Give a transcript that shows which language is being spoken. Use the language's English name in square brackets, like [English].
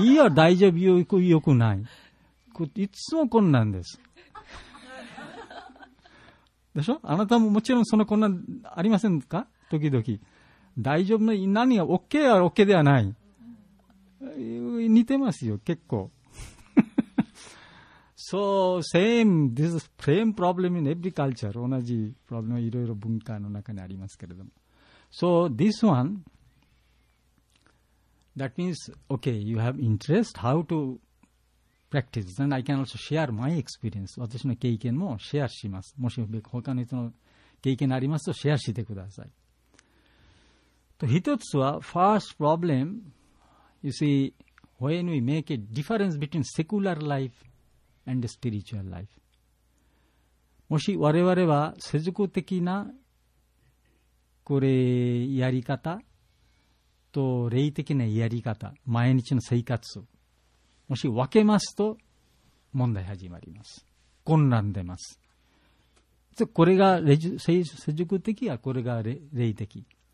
[Japanese] いいよ、大丈夫よくない。いつも混乱です。でしょ？あなたももちろんそのこんなありませんか？時々大丈夫な何が OK は OK ではない似てますよ結構。 [English] So same, this is same problem in every culture. [Japanese] 同じ problem いろいろ文化の中にありますけれども。 [English] So this one, that means, okay, you have interest, how to practice. And I can also share my experience. [Japanese] 私の経験もシェアします。もし他の人の経験ありますとシェアしてください。と一つは、 [English] first problem, you see, when we make a difference between secular life and spiritual life. [Japanese] もし我々は世俗的なこれやり方と霊的なやり方、毎日の生活、もし分けますと問題始まります。混乱出ます。これが世俗的やこれが霊的。